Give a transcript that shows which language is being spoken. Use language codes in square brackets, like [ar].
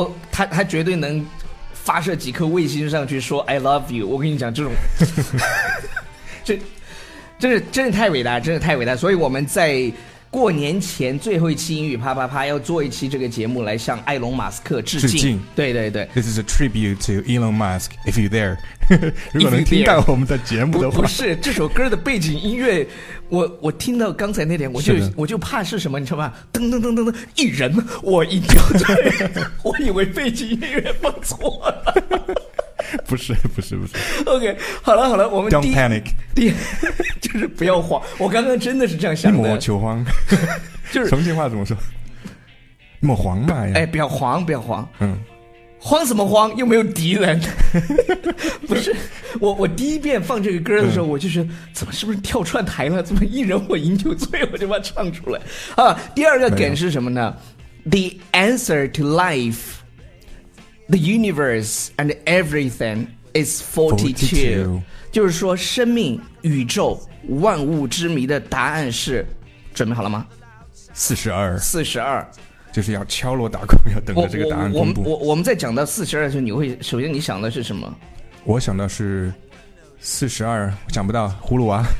[zh] 他绝对能发射几颗卫星上去说 [en] I love you, [zh] 我跟你讲这种真的太伟大，真的太伟大。所以我们在过年前最后一期英语啪啪啪要做一期这个节目来向埃隆马斯克致敬。对对对， [en] This is a tribute to Elon Musk if you're there. [zh] 如果能听到我们的节目的话。不是这首歌的背景音乐，我听到刚才那点我就怕是什么，你知道吗？噔噔噔噔噔，一人我一条腿。我以为背景音乐放错了。不是 OK, 好了我们 [en] Don't panic, [zh] 就是不要慌。我刚刚真的是这样想的，一抹求慌。就是重庆话怎么说，一抹黄嘛呀。哎，不要慌、嗯、慌什么慌，又没有敌人。不是，我第一遍放这个歌的时候、嗯、我就是怎么是不是跳串台了，怎么一人我饮酒醉，我就把它唱出来啊。第二个梗是什么呢？ [en] The answer to lifeThe universe and everything is 42. [zh] 就是说生命、宇宙、万物之谜的答案是，准备好了吗？ 42。就是要敲锣打鼓，要等着这个答案公布。我们在讲到42的时候，首先你想的是什么？我想到是42，想不到葫芦娃。